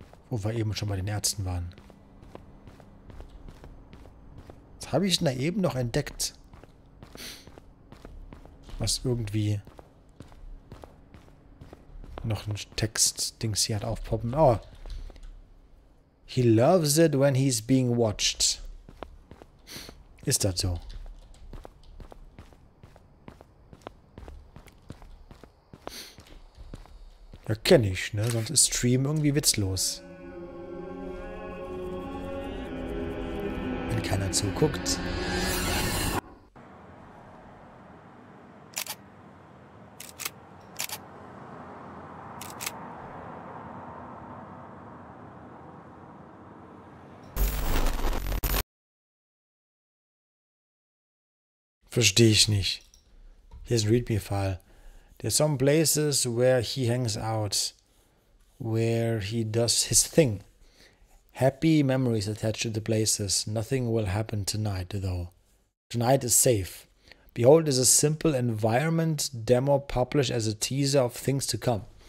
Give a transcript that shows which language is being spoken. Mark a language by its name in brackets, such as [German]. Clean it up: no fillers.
[German] Wo wir eben schon bei den Ärzten waren. Was habe ich denn da eben noch entdeckt? Was irgendwie noch ein Text-Dings hier hat aufpoppen. Oh. [English] He loves it when he's being watched. [German] Ist das so? Ja, kenne ich, ne? Sonst ist Stream irgendwie witzlos. Wenn keiner zuguckt. Verstehe ich nicht. Hier ist ein Readme-File. [English] There's some places where he hangs out. Where he does his thing. Happy memories attached to the places. Nothing will happen tonight, though. Tonight is safe. Behold is a simple environment demo published as a teaser of things to come.